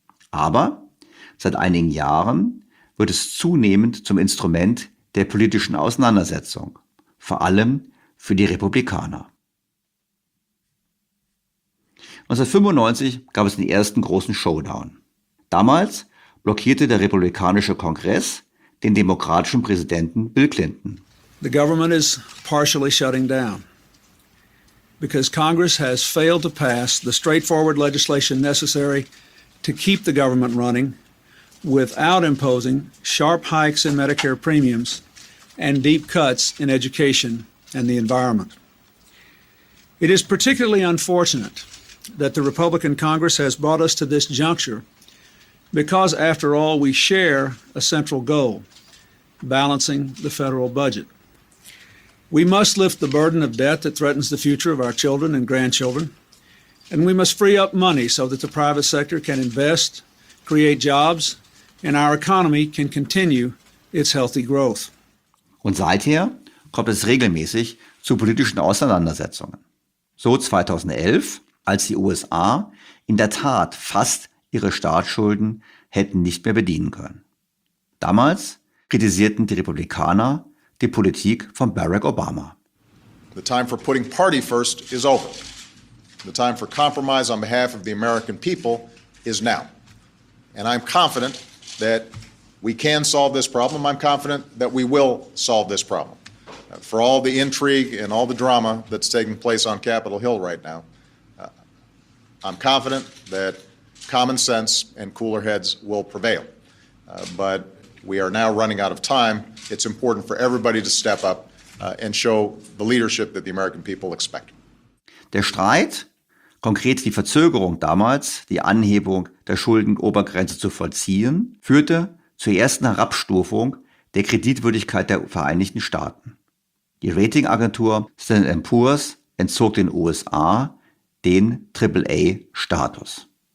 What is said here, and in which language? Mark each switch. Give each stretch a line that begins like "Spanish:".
German: Aber seit einigen Jahren wird es zunehmend zum Instrument der politischen Auseinandersetzung, vor allem für die Republikaner. 1995 gab es den ersten großen Showdown. Damals blockierte der republikanische Kongress den demokratischen Präsidenten Bill Clinton.
English: The government is partially shutting down because Congress has failed to pass the straightforward legislation necessary to keep the government running without imposing sharp hikes in Medicare premiums and deep cuts in education and the environment. It is particularly unfortunate that the Republican Congress has brought us to this juncture because, after all, we share a central goal, balancing the federal budget. We must lift the burden of debt that threatens the future of our children and grandchildren, and we must free up money so that the private sector can invest, create jobs, and our economy can continue its healthy growth.
German: Und seither kommt es regelmäßig zu politischen Auseinandersetzungen. So 2011, als die USA in der Tat fast ihre Staatsschulden hätten nicht mehr bedienen können. Damals kritisierten die Republikaner die Politik von Barack Obama.
English: The time for putting party first is over. The time for compromise on behalf of the American people is now. And I'm confident that we can solve this problem. I'm confident that we will solve this problem. For all the intrigue and all the drama that's taking place on Capitol Hill right now, I'm confident that common sense and cooler heads will prevail. But we are now running out of time. It's important for everybody to step up and show the leadership that the American people expect.
German: Der Streit, konkret die Verzögerung damals, die Anhebung der Schuldenobergrenze zu vollziehen, führte zur ersten Herabstufung der Kreditwürdigkeit der Vereinigten Staaten. Die Ratingagentur Standard & Poor's entzog den USA den AAA-Status.